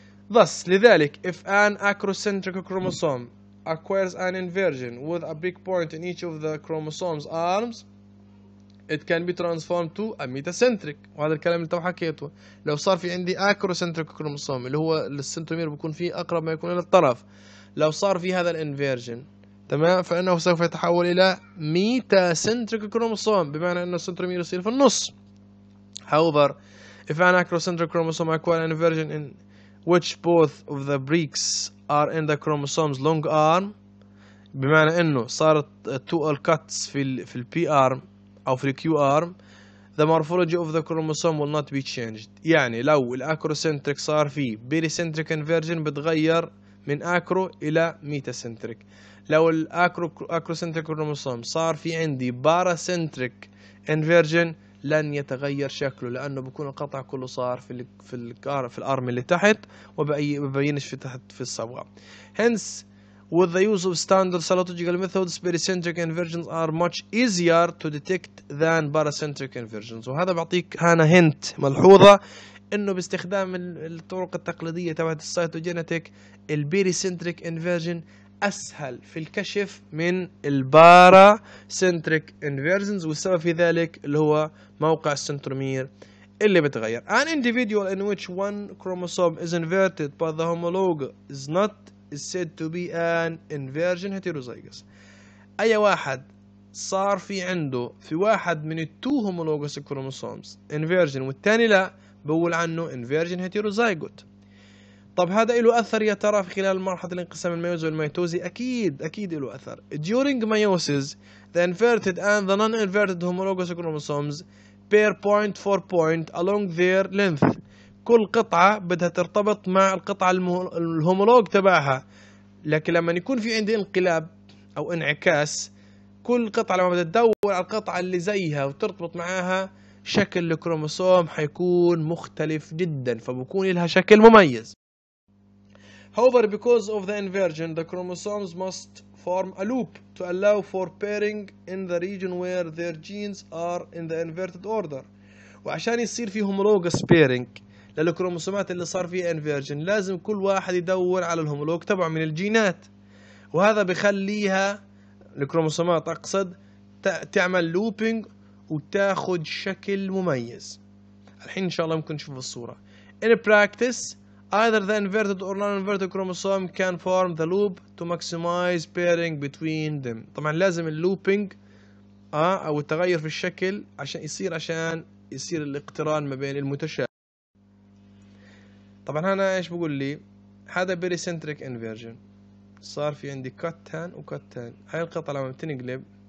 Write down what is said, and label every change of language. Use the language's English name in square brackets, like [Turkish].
[English] Thus لذلك if an acrocentric chromosome acquires an inversion with a break point in each of the chromosome's arms, it can be transformed to a metacentric. [Arabic] وهذا الكلام اللي تو حكيته، لو صار في عندي acrocentric كروموسوم اللي هو السنتومير بيكون فيه اقرب ما يكون الى الطرف، لو صار في هذا الانفيرجن تمام فانه سوف يتحول الى metacentric كروموسوم، بمعنى انه السنتومير يصير في النص. [English] However if an acrocentric chromosome acquire an inversion in which both of the breaks are in the chromosome's long arm، [Arabic] بمعنى انه صارت two cuts في البي arm أو في الكيو آرم، [English] the morphology of the chromosome will not be changed. [Arabic] يعني لو الأكروسنتريك صار فيه بيريسنتريك انفيرجن بتغير من أكرو إلى ميتاسنتريك. لو الأكروسنتريك كروموسوم صار فيه عندي باراسنتريك انفيرجن لن يتغير شكله، لأنه بكون القطع كله صار في الأرم اللي تحت وبيبينش في تحت في الصبغة. [English] Hence with the use of standard cytological methods, pericentric inversions are much easier to detect than paracentric inversions. [Arabic] وهذا بعطيك هنا هنت ملحوظة انه باستخدام الطرق التقليدية تبعت السيتوجينيتك البيريسنتريك انفيرجن اسهل في الكشف من الباراسنتريك انفيرجنز، والسبب في ذلك اللي هو موقع السنترومير اللي بتغير. [English] An individual in which one chromosome is inverted but the homologue is not is said to be an inversion heterozygous. [Arabic] اي واحد صار في عنده في واحد من التو [English] homologous chromosomes inversion [Arabic] والتاني لا، بقول عنه inversion heterozygote. طب هذا له اثر يا ترى في خلال مرحلة الانقسام الميوز والميتوزي؟ اكيد اكيد له اثر. [English] During meiosis the inverted and the non-inverted homologous chromosomes pair point for point along their length. [Arabic] كل قطعة بدها ترتبط مع القطعة الهومولوج تبعها، لكن لما يكون في عندي انقلاب او انعكاس كل قطعة لما بدها تدور على القطعة اللي زيها وترتبط معاها شكل الكروموسوم حيكون مختلف جدا، فبكون لها شكل مميز. [English] However because of the inversion the chromosomes must form a loop to allow for pairing in the region where their genes are in the inverted order. [Arabic] وعشان يصير في homologous pairing للكروموسومات اللي صار فيها انفيرجن لازم كل واحد يدور على الهومولوج تبعه من الجينات، وهذا بخليها الكروموسومات اقصد تعمل لوبينج وتاخد شكل مميز. الحين ان شاء الله ممكن نشوف الصورة. [English] In practice either the inverted or non-inverted chromosome can form the loop to maximize pairing between them. [Arabic] طبعا لازم اللوبينج او التغير في الشكل عشان يصير الاقتران ما بين المتشابه. طبعا هنا ايش بقول لي؟ هذا بيريسنتريك انفيرجن، صار في عندي كتان وكتان، هاي القطعة لما بتنقلب